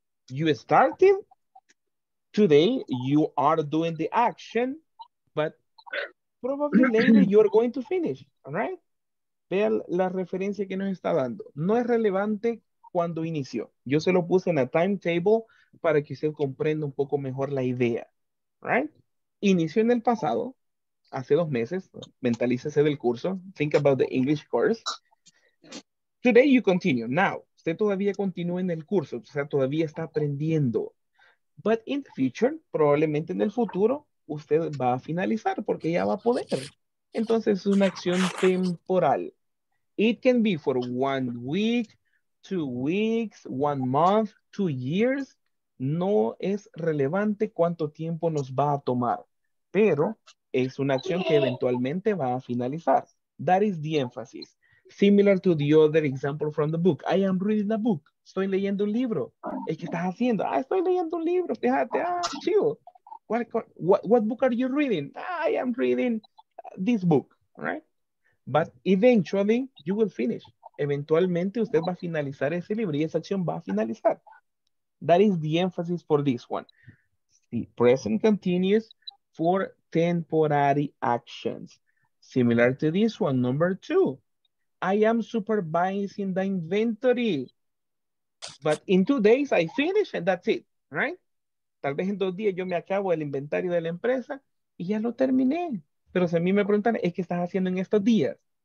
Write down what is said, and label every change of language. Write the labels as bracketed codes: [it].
[en] You started today, you are doing the action, but probably later you're going to finish, all right? [es] Vea la referencia que nos está dando. No es relevante cuando inició. Yo se lo puse en la timetable para que usted comprenda un poco mejor la idea, right? Inició en el pasado, hace 2 meses, mentalícese del curso, [en] think about the English course. Today you continue, now. [es] Usted todavía continúa en el curso, o sea, todavía está aprendiendo. [en] But in the future, [es] probablemente en el futuro, usted va a finalizar porque ya va a poder. Entonces es una acción temporal. [en] It can be for 1 week, 2 weeks, 1 month, 2 years. [es] No es relevante cuánto tiempo nos va a tomar, pero es una acción que eventualmente va a finalizar. [en] That is the emphasis. Similar to the other example from the book. I am reading a book. [es] Estoy leyendo un libro. ¿Es que estás haciendo? Ah, estoy leyendo un libro. Fíjate. Ah, chido. [en] What book are you reading? I am reading this book, right? But eventually, you will finish. [es] Eventualmente, usted va a finalizar ese libro y esa acción va a finalizar. [en] That is the emphasis for this one. The present continues for temporary actions. Similar to this one, number two. I am supervising the inventory. But in 2 days, I finish and that's it, right? [es] Tal vez en 2 días yo me acabo el inventario de la empresa y ya lo terminé. Pero si a mí me preguntan, ¿es qué estás haciendo en estos días?